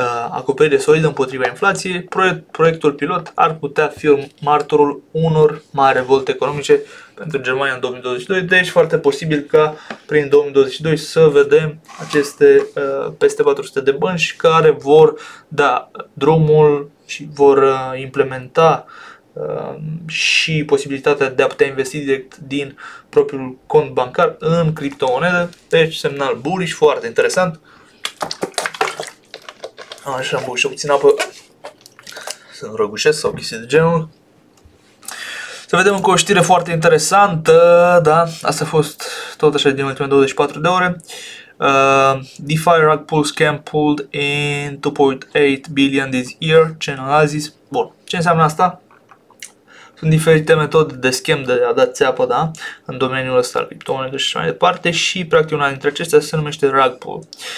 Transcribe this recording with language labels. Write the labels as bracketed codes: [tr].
[ro] acoperire solidă împotriva inflației, proiectul pilot ar putea fi martorul unor mari revolte economice pentru Germania în 2022, deci foarte posibil ca prin 2022 să vedem aceste peste 400 de bănci care vor da drumul și vor implementa și posibilitatea de a putea investi direct din propriul cont bancar în criptomonede, deci semnal bullish, foarte interesant. Așa, am băut și puțin apă să nu răgușesc sau chestii de genul. Să vedem încă o știre foarte interesantă, da, asta a fost tot așa din ultimele 24 de ore. [en] DeFi rug pull scam pulled in 2.8 billion this year, channel [ro] a zis. Bun, ce înseamnă asta? Sunt diferite metode de scam de a da țeapă, da, în domeniul ăsta al criptomonedelor și așa mai departe și practic una dintre acestea se numește rug pull.